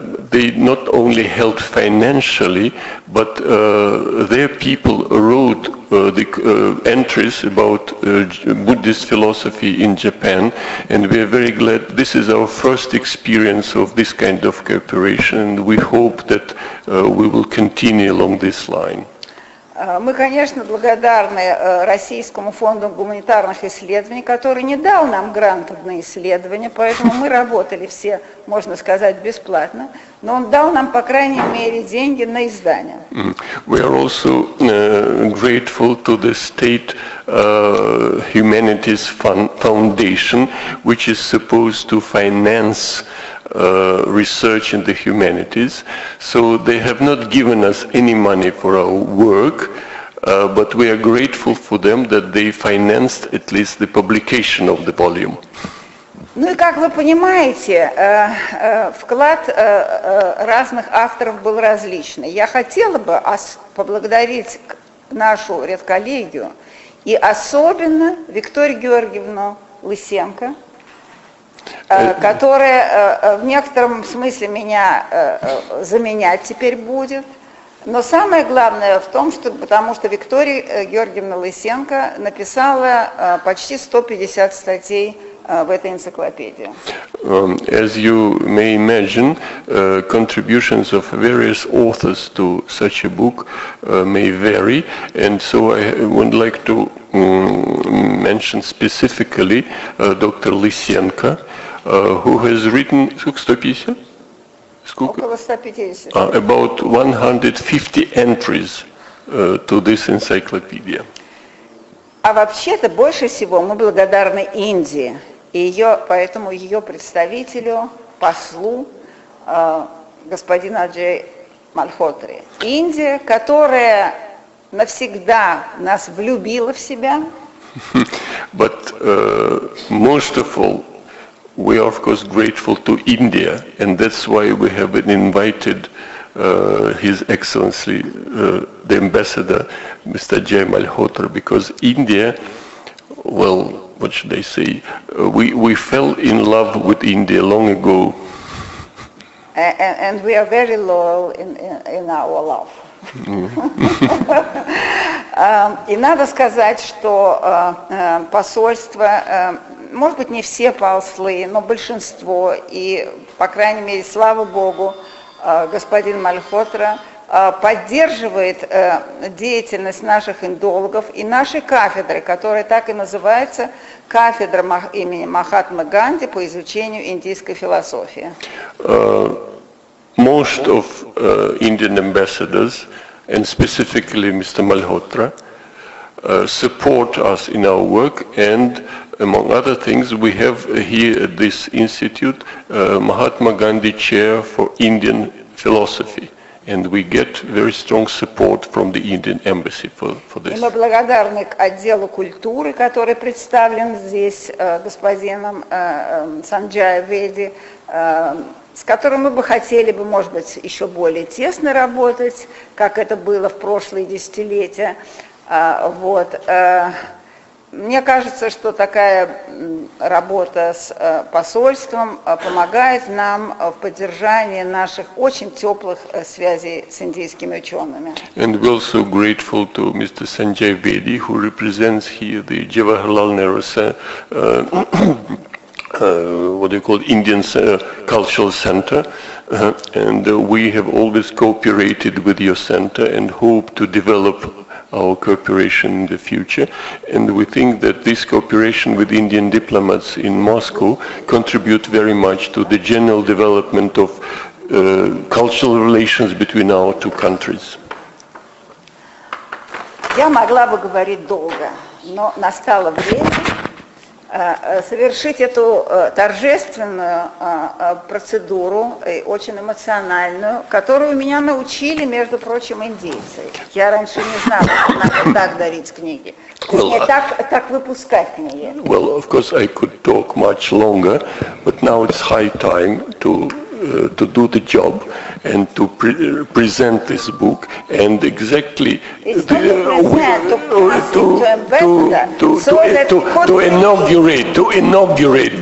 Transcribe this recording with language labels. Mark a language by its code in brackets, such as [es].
[en] They not only helped financially, but their people wrote the entries about Buddhist philosophy in Japan, and we are very glad. This is our first experience of this kind of cooperation, and we hope that we will continue along this line. [ru] Мы, конечно, благодарны Российскому фонду гуманитарных исследований, который не дал нам грантов на исследования, поэтому мы работали все, можно сказать, бесплатно, но он дал нам, по крайней мере, деньги на издание. [en] We are also grateful to the State Humanities Foundation, which is supposed to finance research in the humanities, so they have not given us any money for our work, but we are grateful for them that they financed at least the publication of the volume. [ru] Ну и как вы понимаете, вклад разных авторов был различный. Я хотела бы поблагодарить нашу редколлегию и особенно Викторию Георгиевну Лысенко, которая в некотором смысле меня заменять теперь будет. Но самое главное в том, что потому что Виктория Георгиевна Лысенко написала почти 150 статей в этой энциклопедии. [en] As you may imagine, contributions of various authors to such a book may vary, and so I would like to mention specifically Dr. Lysenko, who has written 150? [ru] Сколько? Около 150. [en] About 150 entries to this encyclopedia. [ru] А вообще-то больше всего мы благодарны Индии. И ее, поэтому ее представителю, послу, господину Аджей Мальхотре. Индия, которая навсегда нас влюбила в себя. [en] But most of all, we are of course grateful to India, and that's why we have been invited His Excellency, the Ambassador, Mr. Ajay Malhotra, because India, well, what should I say? We fell in love with India long ago. And we are very loyal in our love. [ru] И надо сказать, что посольство, может быть, не все послы, но большинство, и, по крайней мере, слава Богу, господин Мальхотра поддерживает деятельность наших индологов и нашей кафедры, которая так и называется «Кафедра имени Махатмы Ганди по изучению индийской философии». [en] Most of Indian ambassadors, and specifically Mr. Malhotra, support us in our work, and among other things, we have here at this institute Mahatma Gandhi Chair for Indian Philosophy, and we get very strong support from the Indian Embassy for this. [ru] И мы благодарны отделу культуры, который представлен здесь господином Санджая Веди, с которым мы бы хотели бы, может быть, еще более тесно работать, как это было в прошлые десятилетия. Вот. Мне кажется, что такая работа с посольством помогает нам в поддержании наших очень теплых связей с индийскими учеными. [en] And we're also grateful to Mr. Sanjay Bedi, who represents here the Jawaharlal Nehru what do you call it, Indian Cultural Center, and we have always cooperated with your center and hope to develop our cooperation in the future, and we think that this cooperation with Indian diplomats in Moscow contribute very much to the general development of cultural relations between our two countries. [ru] Я могла бы говорить долго, но настало время совершить эту торжественную процедуру, очень эмоциональную, которую меня научили, между прочим, индейцы. Я раньше не знала, что надо так дарить книги. Well, так выпускать книги. [en] Well, of course, I could talk much longer, but now it's high time to do the job and to present this book and exactly to inaugurate